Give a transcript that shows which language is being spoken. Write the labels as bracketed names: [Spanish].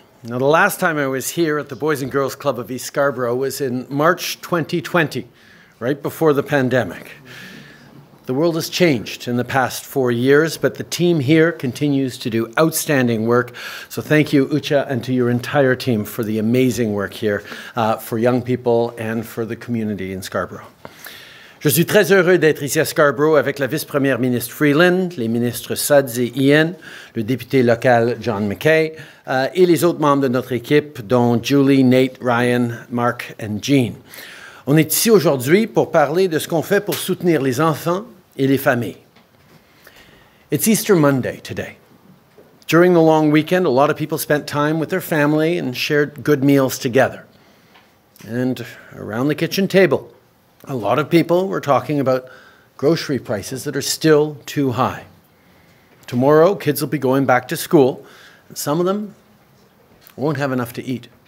[English] Now, the last time I was here at the Boys and Girls Club of East Scarborough was in March 2020, right before the pandemic. The world has changed in the past 4 years, but the team here continues to do outstanding work. So thank you, Ucha, and to your entire team for the amazing work here for young people and for the community in Scarborough. [French] Je suis très heureux d'être ici à Scarborough avec la vice-première ministre Freeland, les ministres Suds et Ian, le député local John McKay et les autres membres de notre équipe, dont Julie, Nate, Ryan, Mark et Jean. On est ici aujourd'hui pour parler de ce qu'on fait pour soutenir les enfants et les familles. [English] It's Easter Monday today. During the long weekend, a lot of people spent time with their family and shared good meals together. And around the kitchen table, a lot of people were talking about grocery prices that are still too high. Tomorrow, kids will be going back to school, and some of them won't have enough to eat.